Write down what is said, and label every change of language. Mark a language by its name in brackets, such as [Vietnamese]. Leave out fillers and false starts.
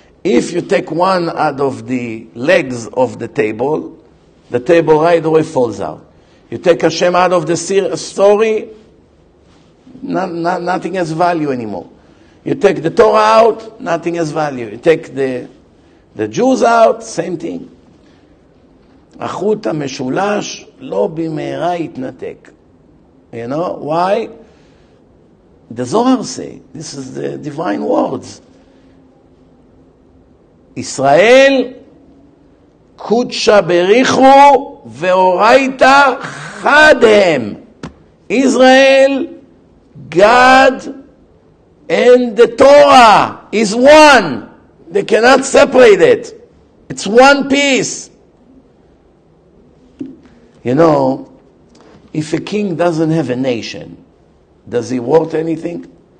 [English] If you take one out of the legs of the table right away falls out. You take Hashem out of the story, nothing has value anymore. You take the Torah out, nothing has value. You take the Jews out, same thing. [Hebrew] החוט המשולש לא במהרה יתנתק. [English] You know why? The Zohar say, this is the divine words. [Aramaic] ישראל קודשה בריחו ואורייתה חד הם. [English] Israel, God and the Torah is one. They cannot separate it. It's one piece. You know, if a king doesn't have a nation, does he worth anything?